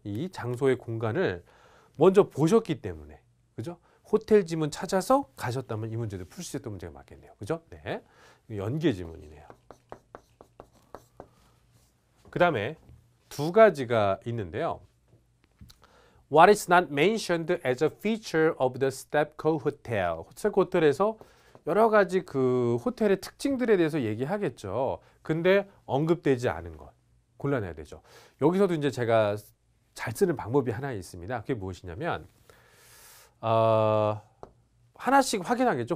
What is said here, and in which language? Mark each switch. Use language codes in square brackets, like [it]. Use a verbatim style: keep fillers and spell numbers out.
[ko] 이 장소의 공간을 먼저 보셨기 때문에, 그죠? 호텔 지문 찾아서 가셨다면 이 문제도 풀 수 있던 문제가 맞겠네요. 그죠? 네. 연계 지문이네요. 그 다음에 두 가지가 있는데요. [en] What is not mentioned as a feature of the Stepco Hotel. [ko] 호텔에서 여러 가지 그 호텔의 특징들에 대해서 얘기하겠죠. 근데 언급되지 않은 것 골라내야 되죠. 여기서도 이제 제가 잘 쓰는 방법이 하나 있습니다. 그게 무엇이냐면 어, 하나씩 확인하겠죠.